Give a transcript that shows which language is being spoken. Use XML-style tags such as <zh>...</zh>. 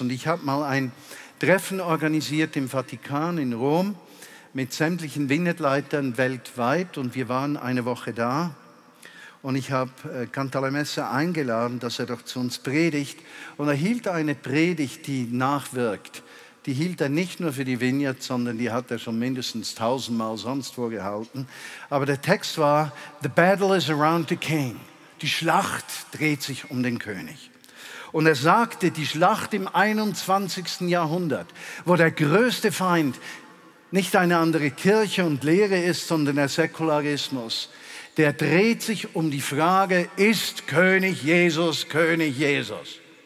<de>Und ich habe mal ein Treffen organisiert im Vatikan in Rom mit sämtlichen Vignette-Leitern weltweit und wir waren eine Woche da. und ich habe Cantale Messa eingeladen, dass er doch zu uns predigt. Und er hielt eine Predigt, die nachwirkt. Die hielt er nicht nur für die Vineyard, sondern die hat er schon mindestens 1000 Mal sonst wo gehalten. Aber der Text war,</de> <en>the battle is around the king.</en> <de>Die Schlacht dreht sich um den König. Und er sagte, die Schlacht im 21. Jahrhundert, wo der größte Feind nicht eine andere Kirche und Lehre ist, sondern der Säkularismus, der dreht sich um die Frage, ist König Jesus König Jesus?</de>